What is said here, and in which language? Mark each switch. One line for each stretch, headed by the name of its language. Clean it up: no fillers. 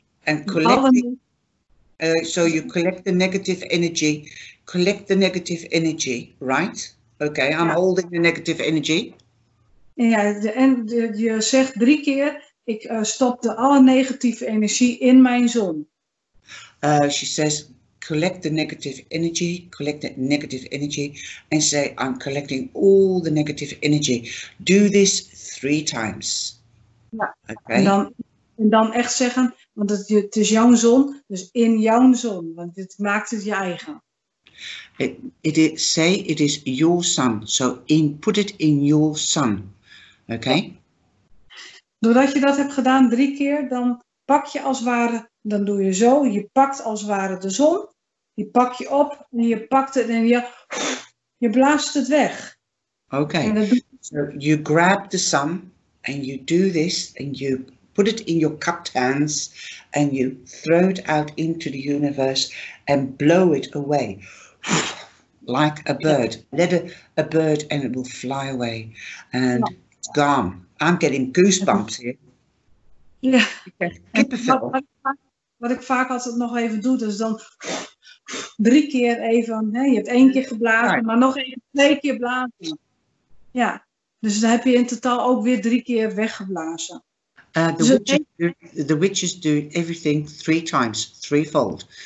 English: And collect. So you collect the negative energy. Collect the negative energy, right? Okay. I'm holding the negative energy.
Dutch: Ja, je zegt drie keer. Ik stop de alle negatieve energie in mijn zon.
English: She says. Collect the negative energy, collect the negative energy, and say, I'm collecting all the negative energy. Do this three times.
Dutch: Ja, okay. En dan echt zeggen, want het is jouw zon, dus in jouw zon, want het maakt het je eigen.
English: Say it is your sun, so put it in your sun, okay?
Dutch: Ja. Doordat je dat hebt gedaan drie keer, dan pak je als ware, dan doe je zo, je pakt als ware de zon. Je pak je op en je pakt het en je blaast het weg. Okay.
English: So you grab the sun and you do this and you put it in your cupped hands and you throw it out into the universe and blow it away like a bird. Let a bird and it will fly away and it's gone. I'm getting goosebumps here. Yeah.
Dutch: Wat ik vaak altijd nog even doe, dus dan drie keer even, hè, je hebt één keer geblazen, right. Maar nog even twee keer blazen. Ja, dus dan heb je in totaal ook weer drie keer weggeblazen.
English: The witches do everything three times, threefold.